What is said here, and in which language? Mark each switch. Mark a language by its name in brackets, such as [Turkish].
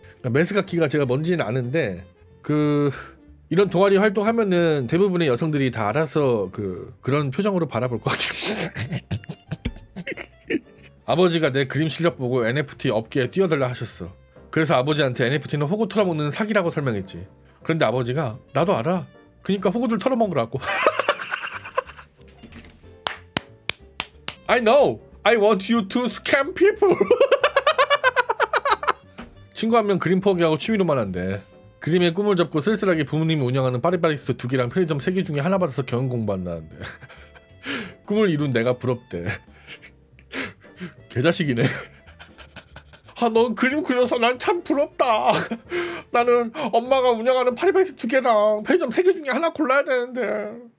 [Korean] 메스카키가 제가 뭔지는 아는데 그 이런 동아리 활동하면은 대부분의 여성들이 다 알아서 그런 표정으로 바라볼 것 같아요. 아버지가 내 그림 실력 보고 NFT 업계에 뛰어들라 하셨어. 그래서 아버지한테 NFT는 호구 털어먹는 사기라고 설명했지. 그런데 아버지가 나도 알아. 그러니까 호구들 털어먹으라고. [English] I know. I want you to scam people. [Korean] 친구 한 명 그림 포기하고 취미로만 한대. 그림에 꿈을 접고 쓸쓸하게 부모님이 운영하는 빠리빠리스토 두 개랑 편의점 세 개 중에 하나 받아서 경영 공부한다는데. 꿈을 이룬 내가 부럽대. 개자식이네. 아, 넌 그림 그려서 난 참 부럽다. 나는 엄마가 운영하는 파리바게트 두 개랑 편의점 세 개 중에 하나 골라야 되는데.